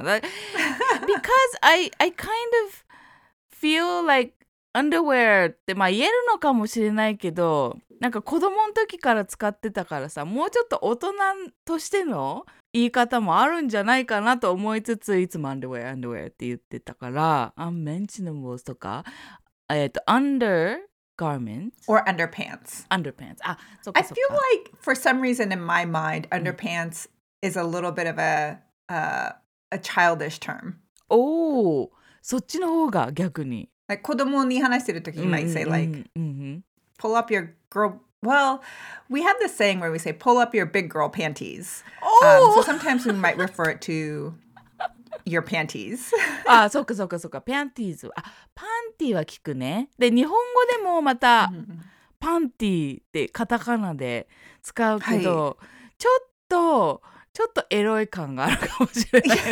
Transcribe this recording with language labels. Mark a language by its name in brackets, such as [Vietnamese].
[English] Because I kind of feel like underwear [Japanese] ってまあ言えるのかもしれないけど、なんか子供の時から使ってたからさ、もうちょっと大人としての言い方もあるんじゃないかなと思いつつ、いつも underwear underwear って言ってたから、unmentionables とか、under garments [English] or underpants. [Japanese] Underpants. あ、そうかそうか。 [English] I feel like for some reason in my mind, underpants.、Mm. Is a little bit of a childish term. [Japanese] Oh, そっちの方が逆に。 [English] Like [Japanese] 子供に話してる時、 [English] mm-hmm. you might say like, mm-hmm. pull up your girl. Well, we have this saying where we say pull up your big girl panties. Oh, so sometimes we might refer it to your panties. [Japanese] Ah, そうかそうかそうか。 Panties. あ、パンティは聞くね。で、日本語でもまたパンティってカタカナで使うけど、はい、ちょっとエロい感があるかもしれない、ね。